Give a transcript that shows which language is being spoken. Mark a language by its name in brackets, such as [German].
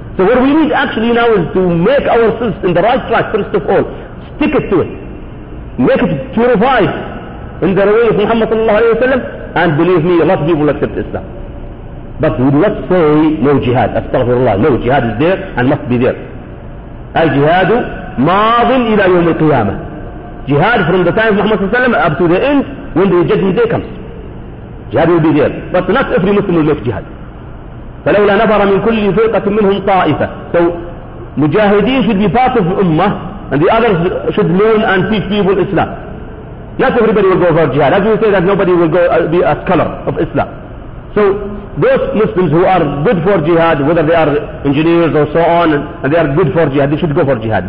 [English] So what we need actually now is to make ourselves in the right track, first of all. Stick it to it. Make it purified in the way of Muhammad sallallahu alayhi wa sallam. And believe me, a lot of people will accept Islam. But we must say no jihad. Astaghfirullah. No jihad is there and must be there. [Arabic] الجهاد ماض إلى يوم القيامة. [English] Jihad from the time of Muhammad sallallahu alayhi wa sallam up to the end when the judgment day comes. Jihad will be there. But not every Muslim will make jihad. [Arabic] فلولا نفر من كل فرقة منهم طائفة. [English] So mujahideen should be part of the ummah and the others should learn and teach people Islam. Not everybody will go for jihad. As we say that nobody will go be a scholar of Islam. So those Muslims who are good for jihad, whether they are engineers or so on, and they are good for jihad, they should go for jihad.